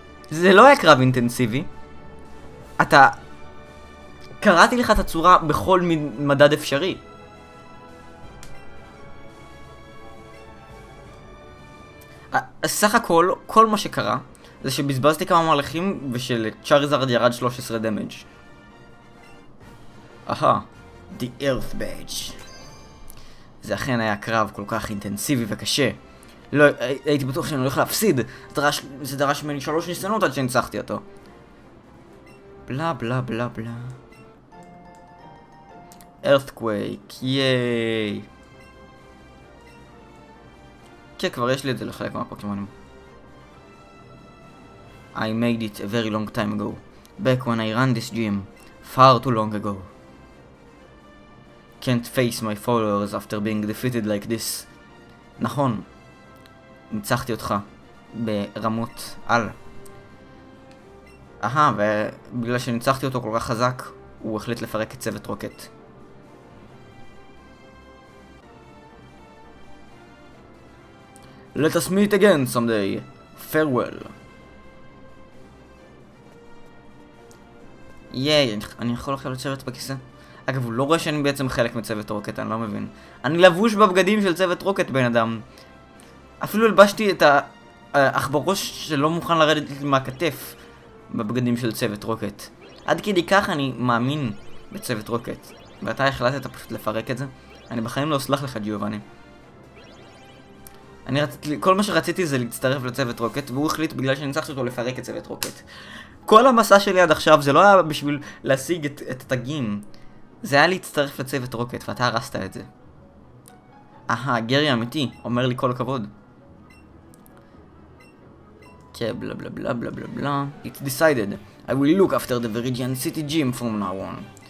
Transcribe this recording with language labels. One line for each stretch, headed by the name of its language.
Hebrew: זה לא היה קרב אינטנסיבי. אתה... קראתי לך את הצורה בכל מדד אפשרי. סך הכל, כל מה שקרה, זה שבזבזתי כמה מהלכים ושלצ'אריזארד ירד 13 דמג'.
English: אהה, the earth badge.
Hebrew: זה אכן היה קרב כל כך אינטנסיבי וקשה. לא, הייתי בטוח שאני הולך להפסיד. זה דרש ממני 3 ניסיונות עד שניצחתי אותו. בלה בלה בלה בלה. Earthquake, ייי. כן, כבר יש לי את זה לחלק מהפוקימונים.
English: I made it a very long time ago. Back when I ran this gym. Far too long ago. Can't face my followers after being defeated like this.
Hebrew: נכון. ניצחתי אותך. ברמות על. אהה, ובגלל שניצחתי אותו כל כך חזק, הוא החליט לפרק את צוות רוקט.
English: Let us meet again someday. Farewell.
Hebrew: ייי, אני יכול עכשיו לצוות בכיסא? אגב, הוא לא רואה שאני בעצם חלק מצוות רוקט, אני לא מבין. אני לבוש בבגדים של צוות רוקט, בן אדם. אפילו הלבשתי את האחברוש שלא מוכן לרדת לי מהכתף בבגדים של צוות רוקט. עד כדי כך אני מאמין בצוות רוקט. ואתה החלטת פשוט לפרק את זה? אני בחיים לא אסלח לך, ג'יובאני. אני רציתי, כל מה שרציתי זה להצטרף לצוות רוקט, והוא החליט בגלל שניצחתי אותו לפרק את צוות רוקט. כל המסע שלי עד עכשיו זה לא היה בשביל להשיג את התגים. זה היה להצטרף לצוות רוקט, ואתה הרסת את זה. אהה, גרי אמיתי, אומר לי כל הכבוד. כן, בלה בלה בלה בלה בלה בלה.
English: It's decided. I will look after the Viridian City Gym from now on.